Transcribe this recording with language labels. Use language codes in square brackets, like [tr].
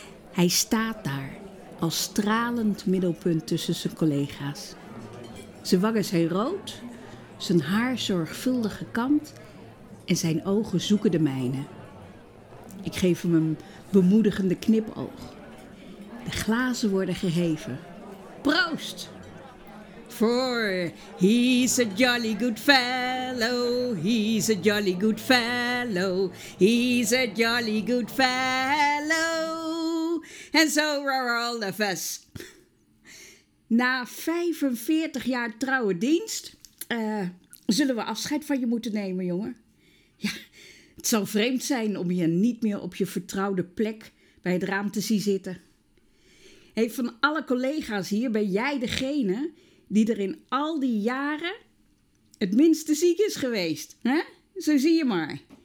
[nl] Hij staat daar als stralend middelpunt tussen zijn collega's. Zijn wangen zijn rood, zijn haar zorgvuldig gekamd en zijn ogen zoeken de mijne. Ik geef hem een bemoedigende knipoog. De glazen worden geheven. Proost! [en] For he's a jolly good fellow, he's a jolly good fellow, he's a jolly good fellow, and so are all of us. [nl] Na 45 jaar trouwe dienst zullen we afscheid van je moeten nemen, jongen. Ja, het zal vreemd zijn om je niet meer op je vertrouwde plek bij het raam te zien zitten. Hey, van alle collega's hier ben jij degene die er in al die jaren het minste ziek is geweest. Hè? Zo zie je maar.